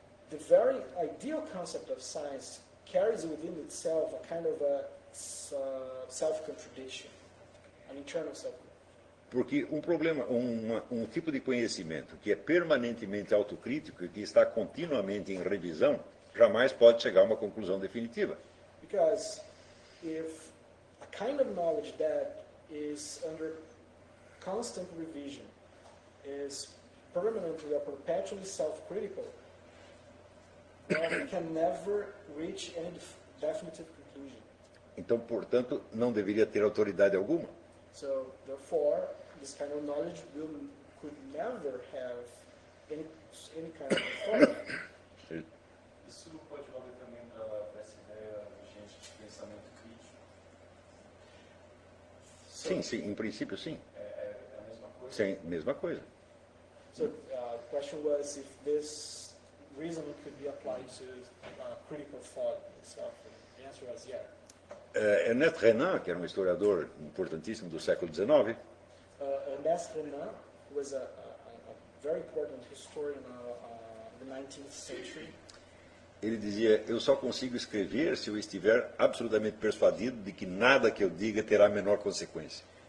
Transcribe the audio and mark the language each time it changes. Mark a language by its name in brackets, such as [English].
[English] The very ideal concept of science carries within itself a kind of a self-contradiction, an internal self-contradiction. [Portuguese] Porque um problema, um tipo de conhecimento que é permanentemente autocrítico e que está continuamente em revisão, jamais pode chegar a uma conclusão definitiva. [English] Because if a kind of knowledge that is under constant revision, is permanently or perpetually self-critical, can never reach any definitive conclusion. [Portuguese] Então, portanto, não deveria ter autoridade alguma. [English] So, therefore, this kind of knowledge could never have any kind of authority. [Portuguese] Isso não pode valer também para essa ideia vigente de pensamento crítico. Sim, sim, em princípio, sim. É a mesma coisa? Sim, mesma coisa. [English] So, the question was if this reason could be applied to critical thought itself. The answer was yes. [Portuguese] Ernest Renan, que era um historiador importantíssimo do século XIX. [English] Ernest Renan was a very important historian of the 19th century. [Portuguese] Ele dizia, eu só consigo escrever se eu estiver absolutamente persuadido de que nada que eu diga terá a menor consequência.